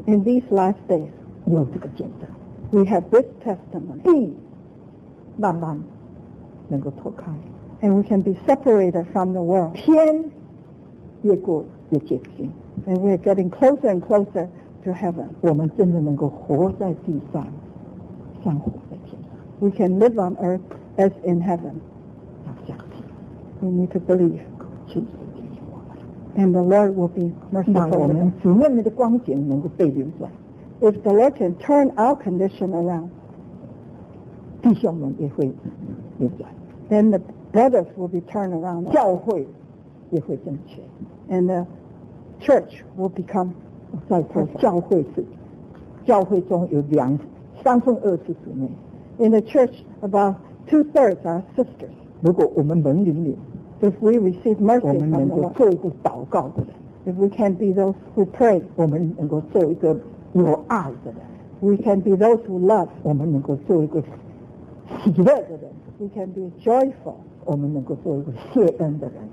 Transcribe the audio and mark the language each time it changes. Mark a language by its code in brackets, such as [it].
[en] in these last days, [zh] 有这个见证 [en] we have this testimony. [zh] 慢慢能够脱开。 [en] And we can be separated from the world. [zh] 天越过越接近。 [en] And we're getting closer and closer to heaven. [zh] 我们真的能够活在地上，像活在天上。 [en] We can live on earth as in heaven. [zh] 要相信。 [en] We need to believe. [zh] 请主怜悯我们。 [en] And the Lord will be merciful. [zh] 让我们主外面的光景能够被扭转。 [en] If the Lord can turn our condition around, [zh] 弟兄们也会扭转。 [en] Then the brothers will be turned around. [zh] 教会也会正确。 [en] And the church will become. [zh] 再说教会是，教会中有两三分二是姊妹。 [en] In the church, about two-thirds are sisters. [zh] 如果我们能灵里 [en] ，If we receive mercy from the Lord, [zh] 我们能够做一个祷告的人。 [en] If we can be those who pray, [zh] 我们能够做一个有爱的人。 [en] We can be those who love. [zh] 我们能够做一个喜乐的人。 [en] We can be joyful. [zh] 我们能够做一个谢恩的人。